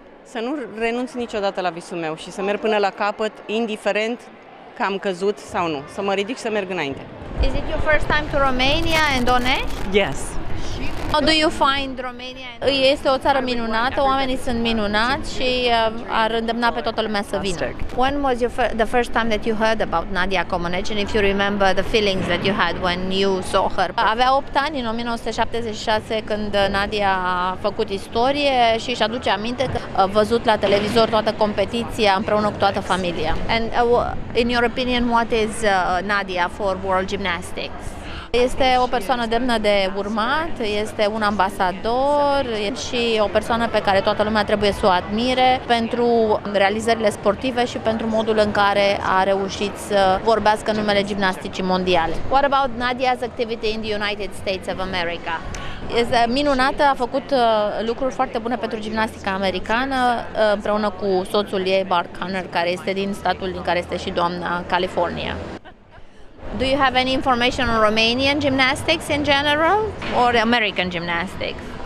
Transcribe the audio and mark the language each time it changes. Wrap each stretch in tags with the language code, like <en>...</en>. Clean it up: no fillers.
<ro>Să nu renunț niciodată la visul meu și să merg până la capăt, indiferent că am căzut sau nu. Să mă ridic și să merg înainte.</ro> <en>Is it your first time to Romania and Onești? Yes. How do you find Romania?</en> <ro>Este o țară minunată, oamenii sunt minunați și ar îndemna pe toată lumea să vină.</ro> <en>When was the first time that you heard about Nadia Comăneci and if you remember the feelings that you had when you saw her?</en> <ro>Avea 8 ani în 1976 când Nadia a făcut istorie și își aduce aminte că a văzut la televizor toată competiția împreună cu toată familia.</ro> <en>And in your opinion, what is Nadia for World Gymnastics?</en> <ro>Este o persoană demnă de urmat, este un ambasador și o persoană pe care toată lumea trebuie să o admire pentru realizările sportive și pentru modul în care a reușit să vorbească numele gimnasticii mondiale.</ro> <en>What about Nadia's activity in the United States of America?</en> <ro>Este minunată, a făcut lucruri foarte bune pentru gimnastica americană împreună cu soțul ei, Bart Conner, care este din statul din care este și doamna, California.</ro> <en>Do you have any information on Romanian gymnastics in general or American gymnastics?</en>